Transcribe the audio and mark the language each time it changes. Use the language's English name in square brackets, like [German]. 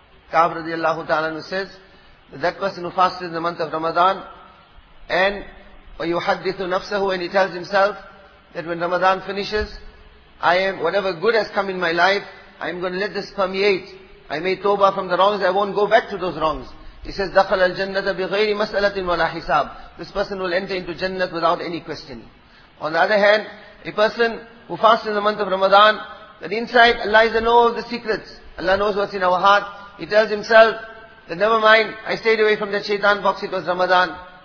[English] Ka'ab radiallahu ta'ala says that person who fasted in the month of Ramadan and [Arabic] وَيُحَدِّثُ نَفْسَهُ [English] and he tells himself that when Ramadan finishes, whatever good has come in my life, I am going to let this permeate. I made tawbah from the wrongs, I won't go back to those wrongs. He says, [Arabic] دَخَلَ الْجَنَّةَ بِغَيْرِ مَسْأَلَةٍ وَلَا حِسَابٍ. [English] This person will enter into Jannah without any questioning. On the other hand, a person who fasts in the month of Ramadan, that inside Allah is the know of the secrets. Allah knows what's in our heart. He tells himself that never mind, I stayed away from the shaitan box, it was Ramadan.